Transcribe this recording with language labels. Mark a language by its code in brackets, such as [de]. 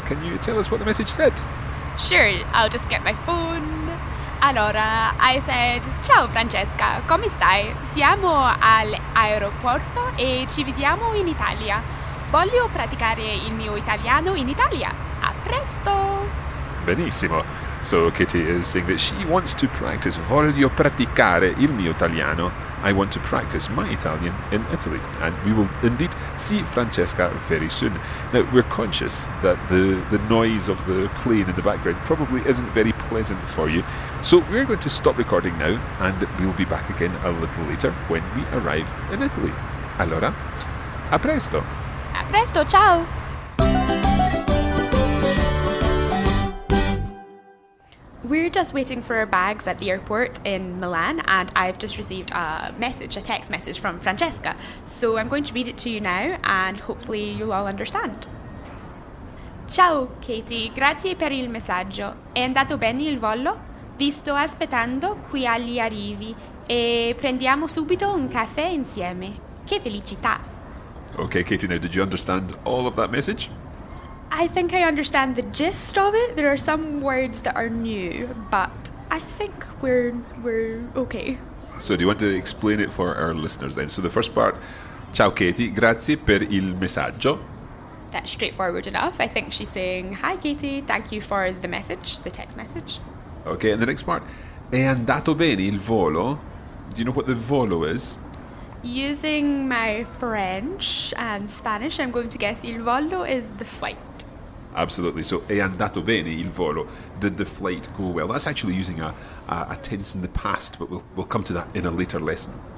[en] Can you tell us what the message said? Sure, I'll just get my phone. [it] Allora, [en] I said, [it] ciao Francesca, come stai? Siamo all'aeroporto e ci vediamo in Italia. Voglio praticare il mio italiano in Italia. A presto! Benissimo. [en] So Katie is saying that she wants to practice. [it] Voglio praticare il mio italiano. [en] I want to practice my Italian in Italy. And we will indeed see Francesca very soon. Now, we're conscious that the noise of the plane in the background probably isn't very pleasant for you. So we're going to stop recording now and we'll be back again a little later when we arrive in Italy. [it] Allora, a presto! A presto, ciao! [en] We're just waiting for our bags at the airport in Milan, and I've just received a text message from Francesca. So I'm going to read it to you now, and hopefully you'll all understand. [it] Ciao, Katie. Grazie per il messaggio. È andato bene il volo? Vi sto aspettando qui agli arrivi, e prendiamo subito un caffè insieme. Che felicità! [en] Okay, Katie, now did you understand all of that message? I think I understand the gist of it. There are some words that are new, but I think we're okay. So do you want to explain it for our listeners then? So the first part, [it] ciao Katie, grazie per il messaggio. [en] That's straightforward enough. I think she's saying, hi Katie, thank you for the message, the text message. Okay, and the next part, [it] è andato bene il volo? [en] Do you know what the volo is? Using my French and Spanish, I'm going to guess il volo is the flight. Absolutely. So, [it] è andato bene il volo? [en] Did the flight go well? That's actually using a tense in the past, but we'll come to that in a later lesson.